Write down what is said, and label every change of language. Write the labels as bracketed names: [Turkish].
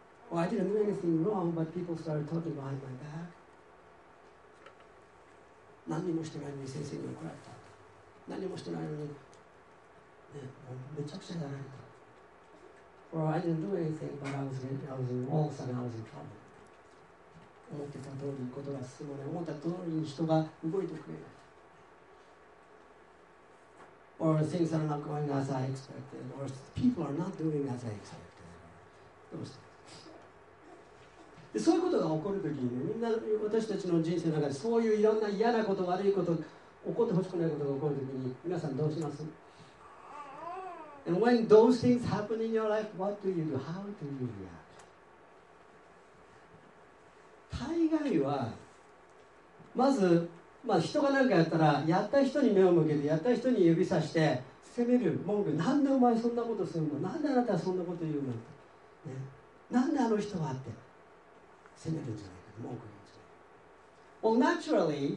[English] Well, I didn't do anything wrong, but people started talking behind my back. [Japanese] 何にもしてないのに先生に怒られた。何にもしてないのに、ね、めちゃくちゃやられた。 [English] Or I didn't do anything, but I was in trouble. [Japanese] 思ってた通りにことが進まない。思った通りに人が動いてくれない。 [English] Or things are not going as I expected. Or people are not doing as I expected. [Japanese] どうしてで、そういうことが起こるときに、ね、みんな私たちの人生の中でそういういろんな嫌なこと、悪いこと、起こってほしくないことが起こるときに、皆さんどうします？ [English] And when those things happen in your life, what do you do? How do you react? [Japanese] 大概は、まず、まあ、人が何かやったら、やった人に目を向けて、やった人に指さして、責める、文句、なんでお前そんなことするの？なんであなたはそんなこと言うの？なんであの人はって責めるんじゃないか、文句言うんじゃないか。